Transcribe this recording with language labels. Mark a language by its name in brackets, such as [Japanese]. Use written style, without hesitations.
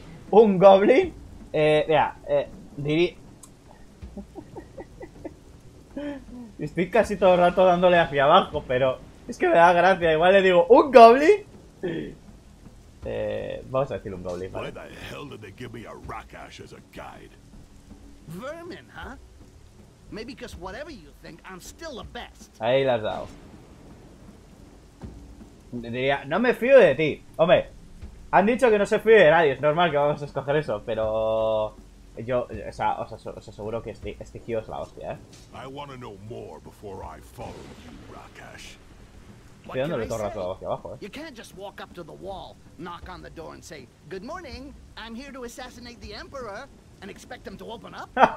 [Spanish] Un goblin, estoy casi todo el rato dándole hacia abajo, pero es que me da gracia, igual le digo, ¿un goblin? Vamos a decir un goblin, ¿vale? [English] Why the hell did they give me a rock ash as a guide? Vermin, huh? Maybe because whatever you think, I'm still the best. [Spanish] Ahí la has dado. Diría, no me fío de ti. Hombre, han dicho que no se fíe de nadie, es normal que vamos a escoger eso, pero yo, os aseguro que este tío es la hostia, ¿eh? [English] I wanna know more before I follow you, Rakash. [Spanish] Estoy dándole todo el rato hacia abajo, [English] You can't just walk up to the wall, knock on the door and say, "Good morning, I'm here to assassinate the emperor," and expect them to open up.